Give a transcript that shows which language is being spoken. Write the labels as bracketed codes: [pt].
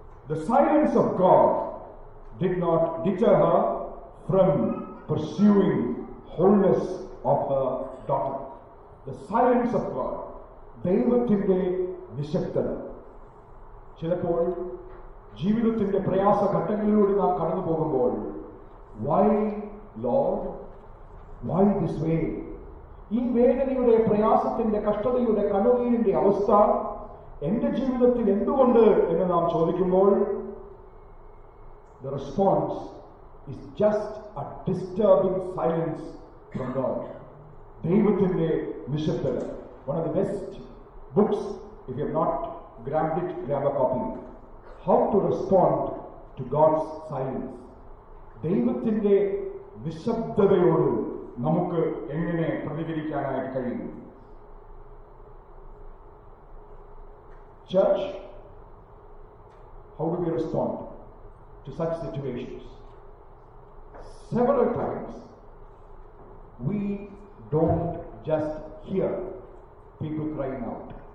[en] The silence of God did not deter her from pursuing wholeness of her daughter. The silence of God, [ml] ദൈവത്തിന്റെ നിശബ്ദത. ചിലപ്പോൾ ജീവിതത്തിന്റെ പ്രയാസ ഘട്ടങ്ങളിലൂടെ നാം കടന്നു പോകുമ്പോൾ [en] Why, Lord? Why this way? [ml] ഈ വേദനയുടെ പ്രയാസത്തിന്റെ കഷ്ടതയുടെ കണ്ണുനീരിന്റെ അവസ്ഥ എന്റെ ജീവിതത്തിൽ എന്തുകൊണ്ട് എന്ന് നാം ചോദിക്കുമ്പോൾ [en] The response is just a disturbing silence from God. [ml] ദൈവത്തിന്റെ നിശബ്ദത. [en] One of the best books, if you have not grabbed it, grab a copy. How to respond to God's silence. [ml] ദൈവത്തിന്റെ നിശബ്ദതയോട് നമുക്ക് എങ്ങനെ പ്രതികരിക്കാനായിട്ട് കഴിയും. [en] Church, how do we respond to such situations? Several times, we don't just hear people crying out.